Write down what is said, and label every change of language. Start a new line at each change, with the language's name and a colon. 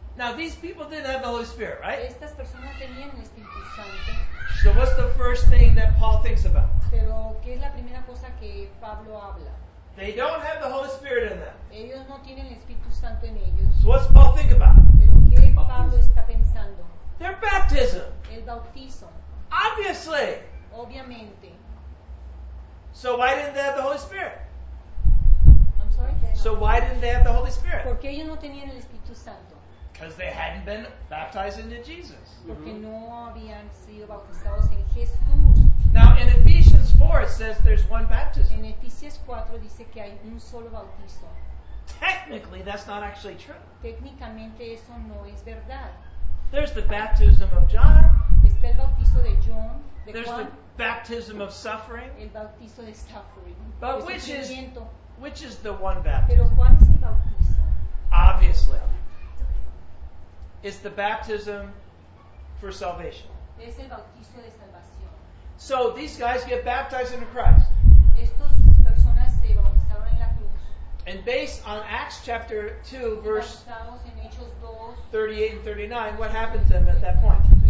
English: Now, these people didn't have the Holy Spirit, right?
Spanish: Estas personas tenían el Espíritu Santo.
English: So what's the first thing that Paul thinks about?
Spanish: Pero, ¿qué es la primera cosa que Pablo habla?
English: They don't have the Holy Spirit in them.
Spanish: Ellos no tienen el Espíritu Santo en ellos.
English: So what's Paul think about?
Spanish: Pero, ¿qué Pablo está pensando?
English: Their baptism.
Spanish: El bautismo.
English: Obviously.
Spanish: Obviamente.
English: So why didn't they have the Holy Spirit? I'm sorry? So why didn't they have the Holy Spirit?
Spanish: Porque ellos no tenían el Espíritu Santo.
English: Because they hadn't been baptized into Jesus.
Spanish: Porque no habían sido bautizados en Jesús.
English: Now in Ephesians 4 it says there's one baptism.
Spanish: En Efesios 4 dice que hay un solo bautizo.
English: Technically that's not actually true.
Spanish: Técnicamente eso no es verdad.
English: There's the baptism of John.
Spanish: Está el bautizo de John.
English: There's
Spanish: Juan.
English: The baptism of suffering.
Spanish: El bautizo de suffering.
English: But
Spanish: el
English: which is the one baptism?
Spanish: Pero ¿cuál es el bautizo?
English: Obviously. It's the baptism for salvation.
Spanish: Es el bautismo de salvación.
English: So these guys get baptized into Christ.
Spanish: Estos personas se bautizaron en la cruz.
English: And based on Acts chapter 2, verse 38 and 39, what happened to them at that point?